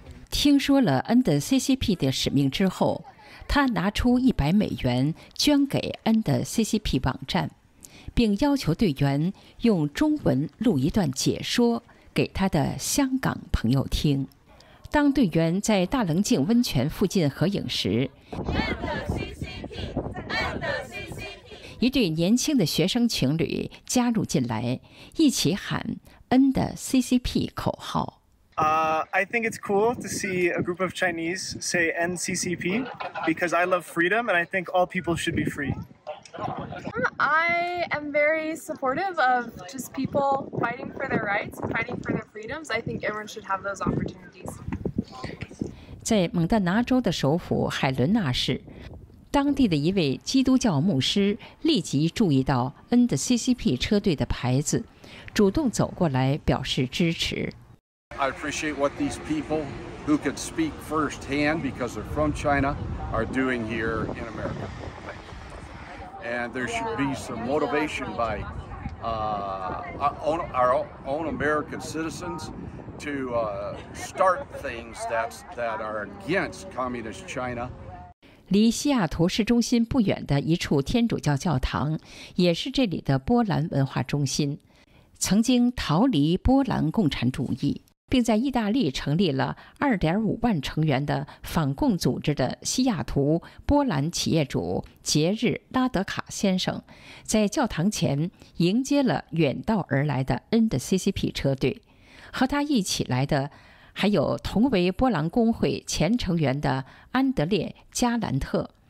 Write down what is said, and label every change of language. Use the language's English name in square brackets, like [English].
[Chinese] 听说了 NCCP 的使命之后，他拿出$100捐给 NCCP 网站，并要求队员用中文录一段解说给他的香港朋友听。当队员在大棱镜温泉附近合影时，一对年轻的学生情侣加入进来，一起喊 "End CCP" 口号。 [English] I think it's cool to see a group of Chinese say NCCP because I love freedom and I think all people should be free. I am very supportive of just people fighting for their rights, fighting for their freedoms. I think everyone should have those opportunities. [Chinese] 在蒙大拿州的首府海伦纳市，当地的一位基督教牧师立即注意到 NCCP 车队的牌子，主动走过来表示支持。 [English] I appreciate what these people who can speak firsthand because they're from China are doing here in America. And there should be some motivation by our own American citizens to start things that are against communist China. [Chinese] 离西雅图市中心不远的一处天主教教堂，也是这里的波兰文化中心，曾经逃离波兰共产主义。并在意大利成立了 2.5 万成员的反共组织的西雅图波兰企业主杰日拉德卡先生，在教堂前迎接了远道而来的 NCCP 车队，和他一起来的还有同为波兰工会前成员的安德烈加兰特，